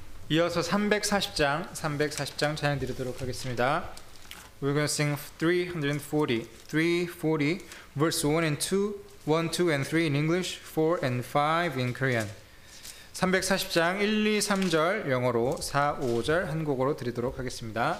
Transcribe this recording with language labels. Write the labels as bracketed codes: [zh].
[ko] 이어서 340장, 340장 찬양 드리도록 하겠습니다. [en] We're going to sing 340, verse 1 and 2, 1, 2 and 3 in English, 4 and 5 in Korean. [ko] 340장 1, 2, 3절 영어로, 4, 5절 한국어로 드리도록 하겠습니다.